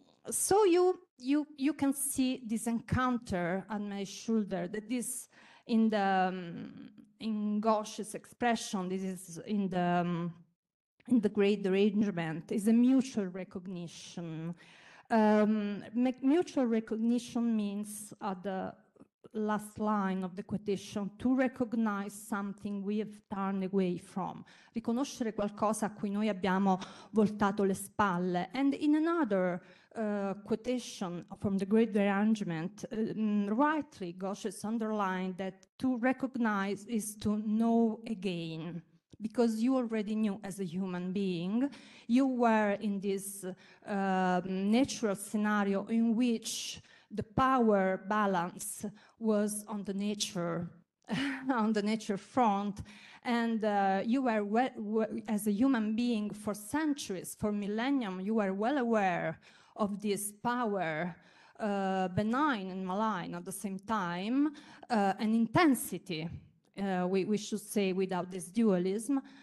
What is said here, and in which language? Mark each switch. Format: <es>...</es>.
<en>So you can see this encounter on my shoulder, that is in the in Ghosh's expression, this is in the great derangement, is a mutual recognition. Mutual recognition means at the last line of the quotation, to recognize something we have turned away from.</en> <it>Riconoscere qualcosa a cui noi abbiamo voltato le spalle.</it> <en>And in another quotation from the Great Derangement, rightly Ghosh has underlined that to recognize is to know again, because you already knew as a human being. You were in this natural scenario in which the power balance was on the nature, on the nature front, and you were as a human being for centuries, for millennium, you were well aware of this power, benign and malign at the same time, an intensity, we should say, without this dualism,</en>